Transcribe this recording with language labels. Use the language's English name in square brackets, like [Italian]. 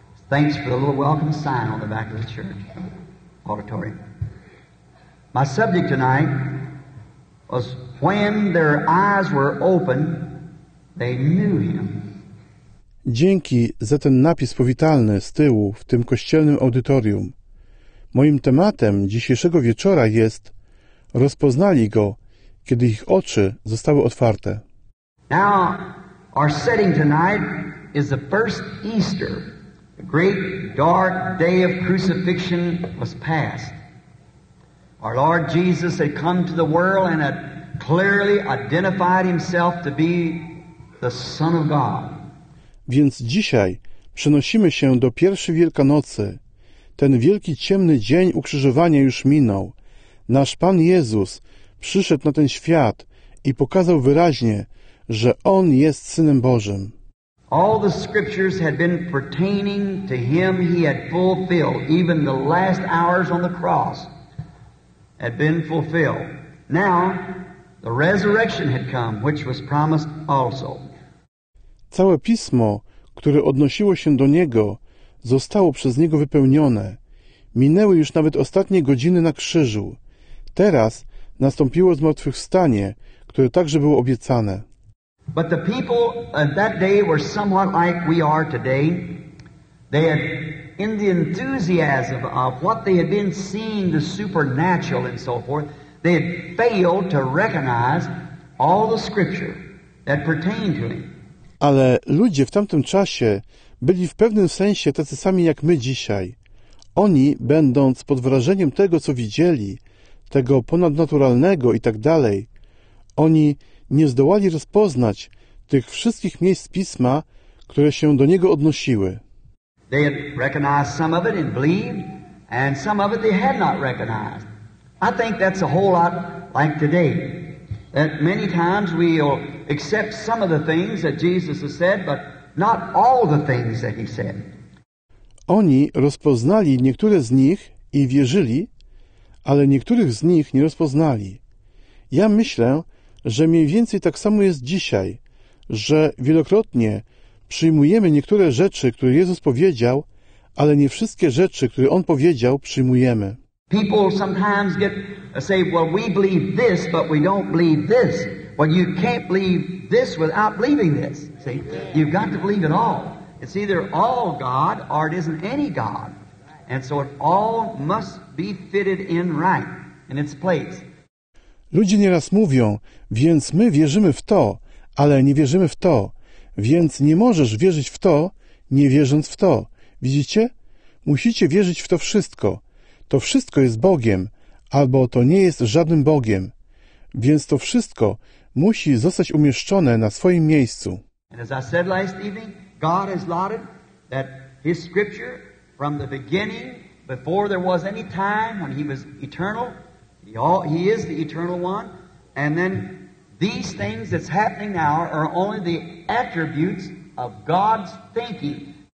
[English] Thanks for the little welcome sign on the back of the church auditorium. My subject tonight was when their eyes were open, they knew him. [Polish] Dzięki za ten napis powitalny z tyłu w tym kościelnym audytorium. Moim tematem dzisiejszego wieczora jest rozpoznali go, kiedy ich oczy zostały otwarte. [English] Now, our setting tonight is the first Easter. The great dark day of crucifixion was past. Our Lord Jesus had come to the world and had clearly identified himself to be the Son of God. [Polish] Więc dzisiaj przenosimy się do pierwszej Wielkanocy. Ten wielki ciemny dzień ukrzyżowania już minął. Nasz Pan Jezus przyszedł na ten świat i pokazał wyraźnie, że On jest Synem Bożym. [English] All the scriptures had been pertaining to Him He had fulfilled. Even the last hours on the cross had been fulfilled. Now, the resurrection had come, which was promised also. [Polish] Całe pismo, które odnosiło się do Niego, zostało przez Niego wypełnione. Minęły już nawet ostatnie godziny na krzyżu. Teraz nastąpiło zmartwychwstanie, które także było obiecane. [English] But the people at that day were somewhat like we are today. They had, in the enthusiasm of what they had been seeing, the supernatural and so forth, they had failed to recognize all the scripture that pertained to Him. [Polish] Ale ludzie w tamtym czasie byli w pewnym sensie tacy sami jak my dzisiaj. Oni, będąc pod wrażeniem tego, co widzieli, tego ponadnaturalnego i tak dalej, oni nie zdołali rozpoznać tych wszystkich miejsc Pisma, które się do Niego odnosiły. [English] They had recognized some of it and believed, and some of it they had not recognized. I think that's a whole lot like today. That many times we'll accept some of the things that Jesus has said, but not all the things that He said. [Polish] Oni rozpoznali niektóre z nich i wierzyli, ale niektórych z nich nie rozpoznali. Ja myślę, że mniej więcej tak samo jest dzisiaj, że wielokrotnie przyjmujemy niektóre rzeczy, które Jezus powiedział, ale nie wszystkie rzeczy, które On powiedział, przyjmujemy. [English] People sometimes get say, well, we believe this, but we don't believe this. Well, you can't believe this without believing this. See, you've got to believe it all. It's either all God or it isn't any God. And so it all must be fitted in right, in its place. [Polish] Ludzie nieraz mówią, więc my wierzymy w to, ale nie wierzymy w to. Więc nie możesz wierzyć w to, nie wierząc w to. Widzicie? Musicie wierzyć w to wszystko. To wszystko jest Bogiem, albo to nie jest żadnym Bogiem. Więc to wszystko musi zostać umieszczone na swoim miejscu. [English] And as I said last evening, God has allotted that His scripture from the beginning before there was any time when he was eternal. He is the eternal one. And then these things that's happening now are only the attributes of God's thinking.